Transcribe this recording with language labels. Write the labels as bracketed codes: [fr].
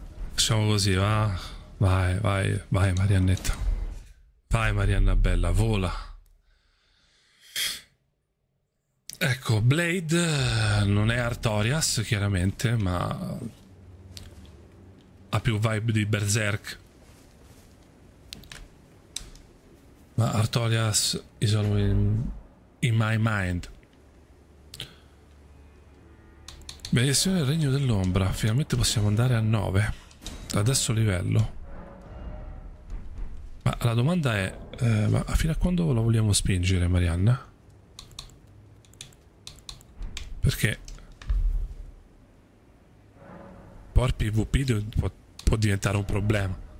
[it] Facciamo così, va? Vai, vai, vai Mariannetta. Vai Marianna Bella, vola. Ecco, Blade non è Artorias, chiaramente, ma ha più vibe di Berserk. [en] Ma Artorias is always in my mind. [it] Benedizione del Regno dell'Ombra. Finalmente possiamo andare a 9. Adesso livello. Ma la domanda è, ma fino a quando la vogliamo spingere, Marianna? Perché Por PvP può diventare un problema.